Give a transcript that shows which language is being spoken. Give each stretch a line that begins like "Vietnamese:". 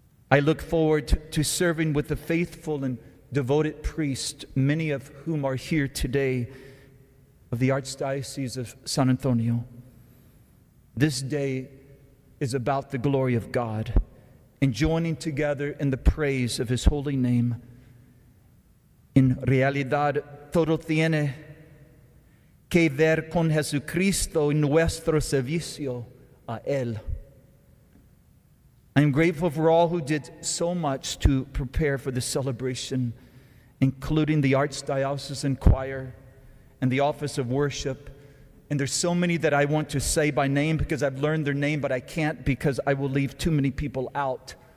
English: I look forward to serving with the faithful and devoted priests, many of whom are here today, of the Archdiocese of San Antonio. This day is about the glory of God and joining together in the praise of His holy name.
Spanish: In realidad, todo tiene que ver con Jesucristo y nuestro servicio a Él.
English: I am grateful for all who did so much to prepare for the celebration, including the Archdiocesan Choir and the Office of Worship. And there's so many that I want to say by name because I've learned their name, but I can't because I will leave too many people out.